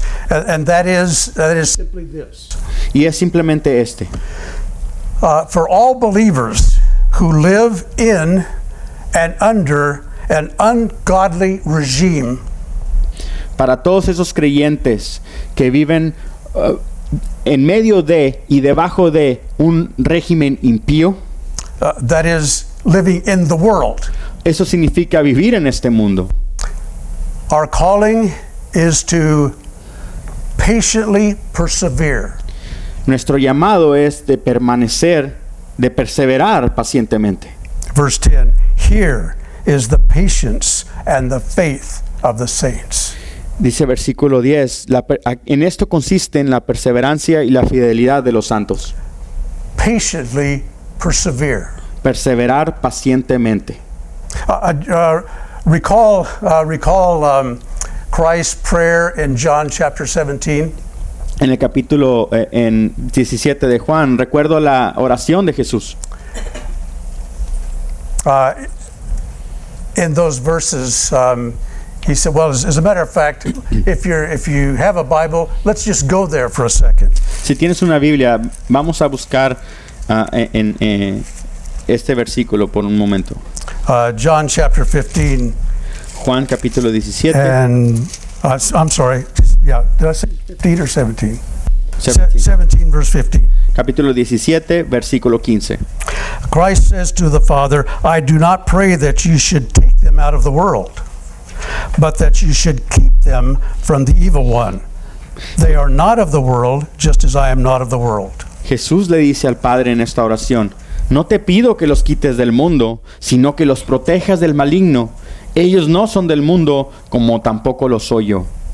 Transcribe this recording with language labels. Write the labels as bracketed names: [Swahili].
[English] And that is simply this. [Spanish] Y es simplemente este. [English] For all believers who live in and under an ungodly regime. [Spanish] Para todos esos creyentes que viven en medio de y debajo de un régimen impío, [English] that is living in the world. [Spanish] Eso significa vivir en este mundo. [English] Our calling is to patiently persevere. [Spanish] Nuestro llamado es de permanecer, de perseverar pacientemente. [English] Verse 10, here is the patience and the faith of the saints. [Spanish] Dice versículo 10, en esto consiste en la perseverancia y la fidelidad de los santos. [English] Patiently persevere. [Spanish] Perseverar pacientemente. [English] Recall Christ's prayer in John chapter 17. [Spanish] En el capítulo en 17 de Juan, recuerdo la oración de Jesús. [English] In those verses, he said, well, as a matter of fact, if you have a Bible, let's just go there for a second. [Spanish] Si tienes una Biblia, vamos a buscar en este versículo por un momento. [English] John chapter 15. [Spanish] Juan capítulo 17. [English] And I'm sorry. Yeah, did I say 15 or 17? 17 verse 15. [Spanish] Capítulo 17, versículo 15. [English] Christ says to the Father, I do not pray that you should take them out of the world, but that you should keep them from the evil one. They are not of the world, just as I am not of the world. [Spanish] Jesús le dice al Padre en esta oración, no te pido que los quites del mundo, sino que los protejas del maligno. Ellos no son del mundo, como tampoco lo soy yo.